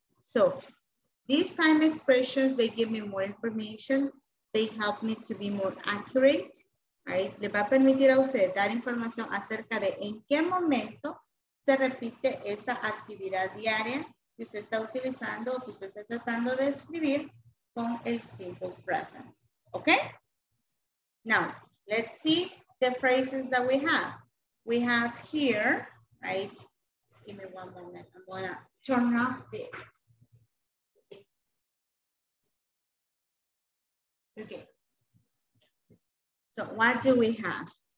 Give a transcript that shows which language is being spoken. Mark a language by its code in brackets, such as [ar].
[en] So, these time expressions, they give me more information. They help me to be more accurate. Right? [es] Le va a permitir a usted dar información acerca de en qué momento se repite esa actividad diaria que usted está utilizando o que usted está tratando de escribir con el simple present. [en] Okay, now let's see the phrases that we have. We have here, right? Just give me one moment. I'm gonna turn off the. Okay. So what do we have?